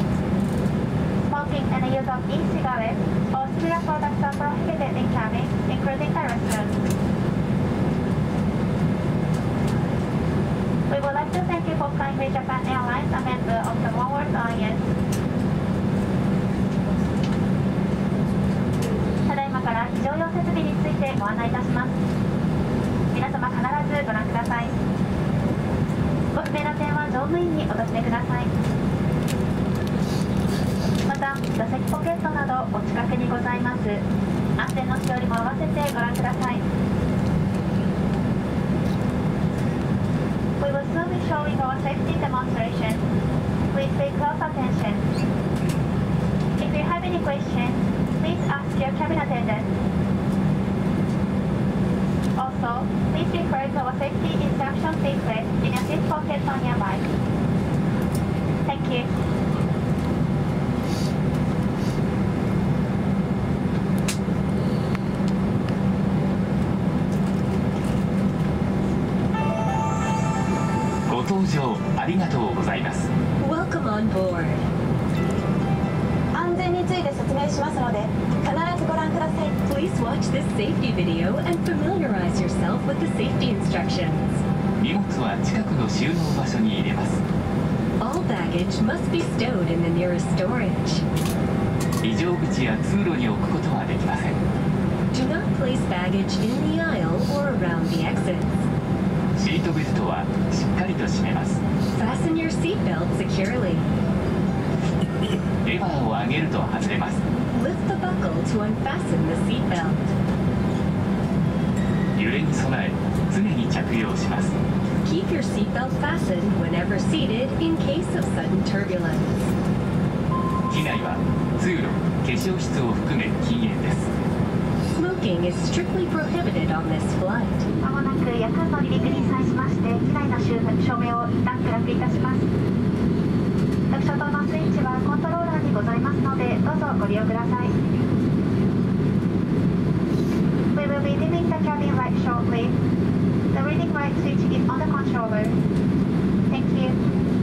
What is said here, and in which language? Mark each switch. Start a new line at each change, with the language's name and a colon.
English: Smoking and the use of e-cigarettes or similar products are prohibited in cabin, including the restroom. We would like to thank you for flying with Japan Airlines, a member of the One World Alliance.
Japanese: ただいまから非常用設備についてご案内いたします。皆様必ずご覧ください。ご不明な点は乗務員にお尋ねください。また、座席ポケットなどお近くにございます。安全のしおりも合わせてご覧ください。
English: We will soon be showing our safety demonstration. Please pay close attention. If you have any questions, please ask your cabin attendant. Also, please refer to our safety instruction booklet in your seat pocket on your bike. Thank you.
Japanese: ありがとうございます。
English: Welcome on board.
Japanese: 安全について説明しますので必ずご覧ください。
English: Please watch this safety video and familiarize yourself with the safety instructions.
Japanese: 荷物は近くの収納場所に入れます。
English: All baggage must be stowed in the nearest storage.
Japanese: 非常口や通路に置くことはできません。
English: Do not place baggage in the aisle or around the exit
Japanese: シートベルトはしっかりと締めます。
English: Fasten your seatbelt securely.
Japanese: レバーを上げると外れます。
English: Lift the buckle to unfasten the seatbelt.
Japanese: 揺れに備え、常に着用します。
English: Keep your seatbelt fastened whenever seated in case of sudden turbulence.
Japanese: 機内は通路、化粧室を含め禁煙です。
English: Smoking is strictly prohibited on this flight.
Japanese: 夜間の離陸に際しまして機内の照明を一旦暗くいたします。副所灯のスイッチはコントローラーにございますのでどうぞご利用ください。
English: We will be dimming the cabin light shortly. The reading light switch is on the controller. Thank you.